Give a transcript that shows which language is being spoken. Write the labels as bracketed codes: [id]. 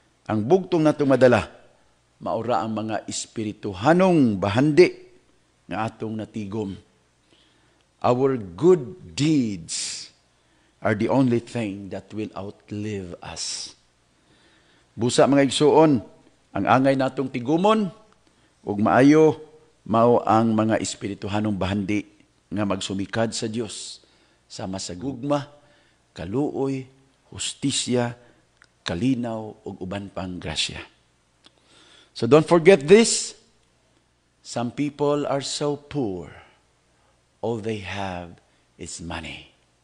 [ceb] Ang bugtong natong madala maura ang mga espirituhanong bahandi nga atong natigom. [en] Our good deeds are the only thing that will outlive us. [ceb] Busa mga igsuon, ang angay natong tigumon ug maayo mao ang mga espirituhanong bahandi nga magsumikad sa Dios sama sa gugma, kaluoy, hustisya, kalinaw ug uban pang grasya. [en] So don't forget this. Some people are so poor, all they have is money.